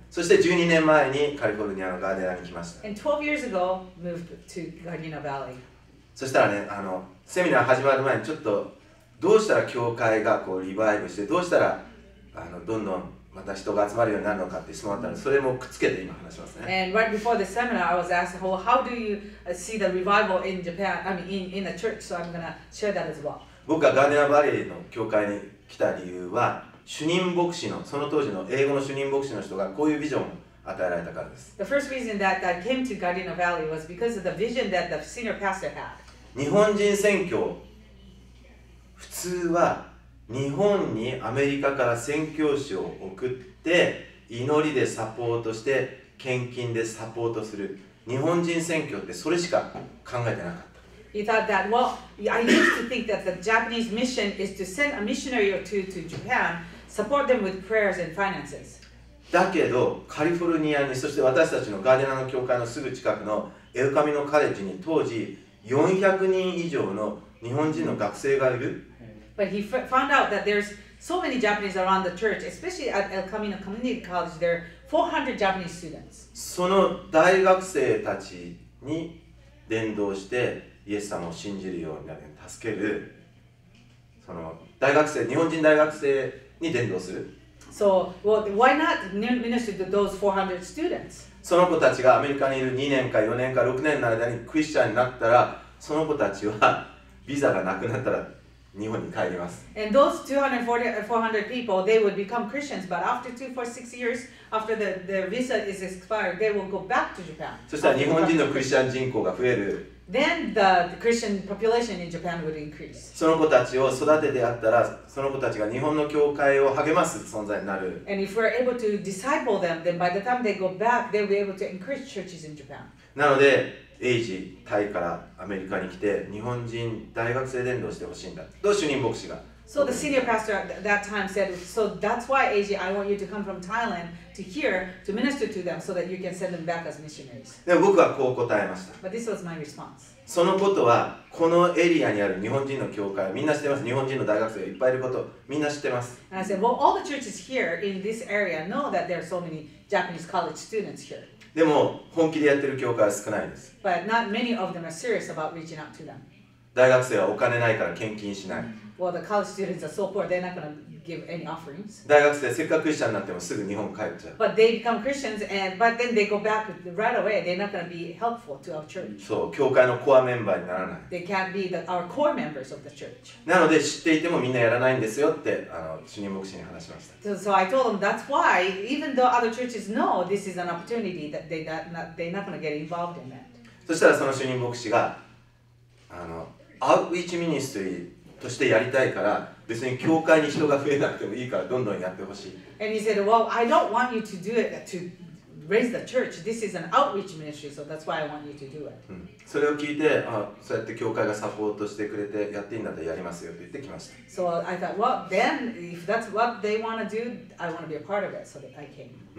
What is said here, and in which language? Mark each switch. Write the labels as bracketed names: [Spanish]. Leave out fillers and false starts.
[Japanese] そして12年前にカリフォルニアのガーデナに来ました。 [English] And 12 years ago, moved to Gardena Valley. [Japanese] そしたらね、あのセミナー始まる前にちょっとどうしたら教会がこうリバイブして、どうしたらあのどんどんまた人が集まるようになるのかって質問あったら、それもくっつけて今話しますね。 [English] And right before the seminar, I was asked, well, how do you see the revival in Japan? I mean, in the church. So I'm gonna share that as well. [Japanese] 僕がガーデナバレーの教会に来た理由は、主任牧師の、その当時の英語の主任牧師の人がこういうビジョンを与えられたからです。 [English] The first reason that I came to Gardena Valley was because of the vision that the senior pastor had. [Japanese] 日本人宣教、普通は日本にアメリカから宣教師を送って、祈りでサポートして、献金でサポートする。日本人宣教ってそれしか考えてなかった。 [English] He thought that, well, I used to think that the Japanese mission is to send a missionary or two to Japan, support them with prayers and finances. [Japanese] だけど、カリフォルニアに、そして私たちのガーデナの教会のすぐ近くのエルカミノカレッジに当時400人以上の日本人の学生がいる。 [English] But he found out that there's so many Japanese around the church, especially at El Camino Community College, there are 400 Japanese students. [Japanese] その大学生たちに伝道して、イエス様を信じるようになる、助ける。その大学生、日本人大学生に伝道する。 [English] So, well, why not minister to those 400 students? [Japanese] その子たちがアメリカにいる2年か4年か6年の間にクリスチャンになったら、その子たちはビザがなくなったら日本に帰ります。 [English] And those 400 people, they would become Christians, but after 2-4-6 years, after the visa is expired, they will go back to Japan. [Japanese] そしたら日本人のクリスチャン人口が増える。 [English] Then the Christian population in Japan would increase. [Japanese] その子たちを育ててやったら、その子たちが日本の教会を励ます存在になる。 [English] And if we're able to disciple them, then by the time they go back, they'll be able to increase churches in Japan. [Japanese] なので、エイジ、タイからアメリカに来て、日本人大学生伝道してほしいんだ。と主任牧師が [English] So the senior pastor at that time said, so that's why, Eiji, I want you to come from Thailand to here to minister to them so that you can send them back as missionaries. [Japanese] で、僕はこう答えました。 [English] But this was my response. [Japanese] そのことは、このエリアにある日本人の教会、みんな知ってます。日本人の大学生がいっぱいいること、みんな知ってます。 [English] And I said, well, all the churches here in this area know that there are so many Japanese college students here. [Japanese] でも、本気でやってる教会は少ないです。 [English] But not many of them are serious about reaching out to them. [Japanese] 大学生はお金ないから献金しない。 [English] Well, the college students are so poor, they're not going to give any offerings. [Japanese] 大学生、せっかくクリスチャンになってもすぐ日本帰っちゃう。 [English] But they become Christians, but then they go back right away. They're not going to be helpful to our church. [Japanese] そう、教会のコアメンバーにならない。 [English] They can't be our core members of the church. [Japanese] なので、知っていてもみんなやらないんですよって、主任牧師に話しました。 [English] So I told them, that's why, even though other churches know this is an opportunity, that they're not going to get involved in that. [Japanese] そしたらその主任牧師が、アウトリーチミニストリーそしてやりたいから、別に教会に人が増えなくてもいいから、どんどんやってほしい。 [English] And he said, well, I don't want you to do it to raise the church. This is an outreach ministry, so that's why I want you to do it. [Japanese] それを聞いて、そうやって教会がサポートしてくれて、やっていいんだったらやりますよって言ってきました。 [English] So I thought, well, then, if that's what they want to do, I want to be a part of it, so that I came.